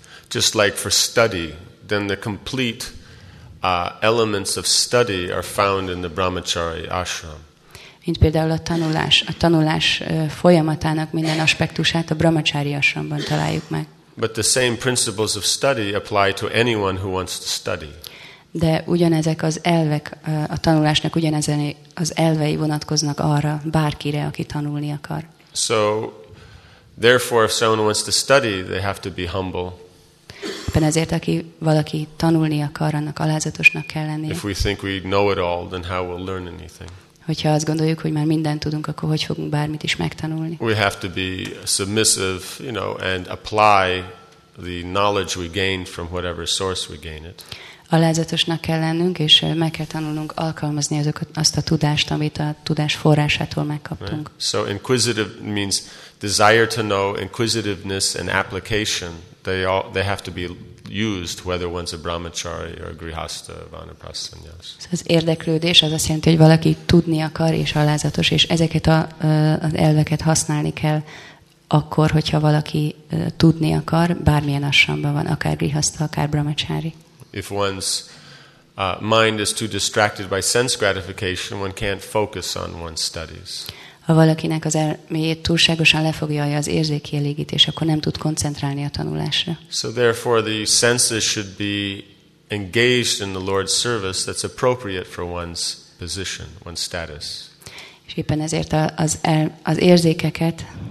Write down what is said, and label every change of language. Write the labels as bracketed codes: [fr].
[en] Just like for study, then the complete elements of study are found in the brahmachari ashram. [hu] Mint például a tanulás folyamatának minden aspektusát a brahmachari ashramban találjuk meg. [en] But the same principles of study apply to anyone who wants to study. [hu] De ugyanezek az elvek a tanulásnak ugyanezen az elvei vonatkoznak arra bárkire, aki tanulni akar. [en] So therefore if someone wants to study, they have to be humble. [hu] Éppen ezért, aki valaki tanulni akar, annak alázatosnak kell lennie. [en] If we think we know it all, then how we'll learn anything? [hu] Hogyha azt gondoljuk, hogy már mindent tudunk, akkor hogy fogunk bármit is megtanulni? [en] We have to be submissive, you know, and apply the knowledge we gained from whatever source we gain it. [hu] Alázatosnak kell lennünk, és meg kell tanulnunk alkalmazni azt a tudást, amit a tudás forrásától megkaptunk. [en] Right. So inquisitive means desire to know, inquisitiveness and application. They have to be used whether one's a brahmachari or a grihastha vanaprastha. Yes. [hu] So az érdeklődés az azt jelenti, hogy valaki tudni akar és alázatos, és ezeket az elveket használni kell akkor, hogyha valaki tudni akar, bármilyen ashramban van, akár grihastha, akár brahmachari. [en] If one's mind is too distracted by sense gratification, one can't focus on one's studies. [hu] Ha valakinek az elméjét túlságosan lefoglalja az érzékielégítés, akkor nem tud koncentrálni a tanulásra. [en] So therefore the senses should be engaged in the Lord's service that's appropriate for one's position, one's status. [hu] És éppen ezért az érzékeket